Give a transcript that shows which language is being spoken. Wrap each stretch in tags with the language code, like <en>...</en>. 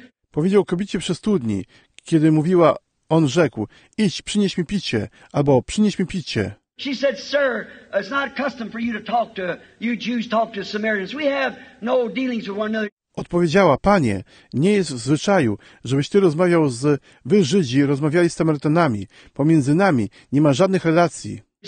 <pl>Powiedział kobiecie przy studni, kiedy mówiła, on rzekł, idź, przynieś mi picie, albo przynieś mi picie.</pl> <en>She said, sir, it's not custom for you to talk to, you Jews talk to Samaritans. We have no dealings with one another.</en> <pl>Odpowiedziała, panie, nie jest w zwyczaju, żebyś ty rozmawiał z, wy Żydzi rozmawiali z Samarytanami. Pomiędzy nami nie ma żadnych relacji.</pl>